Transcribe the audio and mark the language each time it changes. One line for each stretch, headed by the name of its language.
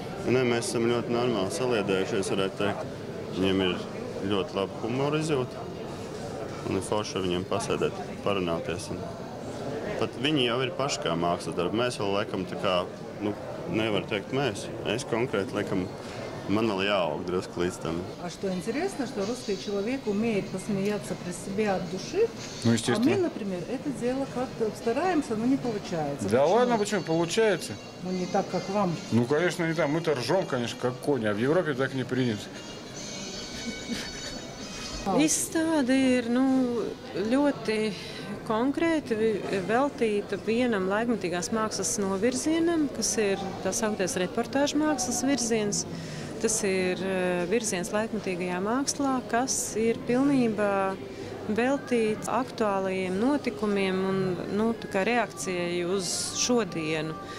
Latvian: Nē, mēs esam ļoti normāli saliedējušies, varētu teikt. Viņiem ir ļoti laba humora izjūta un ir forši viņiem pasēdēt, parunāties. Un pat viņi jau ir paši kā mākslas darba. Mēs vēl laikam tā kā, nu, Nevar teikt mēs. Es konkrēti, laikam, man vēl jāaug drusku līdz tam. Ar šo interesu, ar šo rustīju čilovieku mīri, kas man jāatsapres, bija atduši.
Russian: Ну, естественно. А мы, например, это дело как-то стараемся, но не получается. Да почему? Ладно, почему получается? Ну, не так, как вам. Ну, конечно, не так. Мы-то ржем, конечно, как кони, а в Европе так не принято.
Latvian: Izstāde ir nu, ļoti konkrēti veltīta vienam laikmatīgās mākslas novirzienam, kas ir tā saukties reportāžu mākslas virziens. Tas ir virziens laikmatīgajā mākslā, kas ir pilnībā veltīts aktuālajiem notikumiem un nu, tā kā reakcijai uz šodienu.